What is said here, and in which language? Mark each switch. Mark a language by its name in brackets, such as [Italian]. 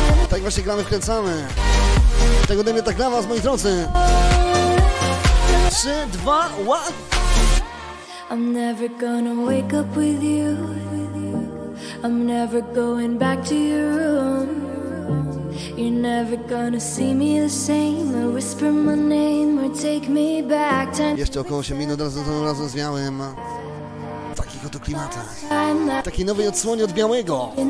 [Polish] Tak właśnie gramy, wkręcamy. Tego ode mnie tak dla was, moi drodzy. 3, 2, 1. [English] I'm never gonna wake up with you. I'm never going back to your room. You're never gonna see me the same, or whisper my name, or take me back. [Polish] Jeszcze około 8 minut razem z Białym. W takich oto klimatach. Takiej nowej odsłonie od Białego.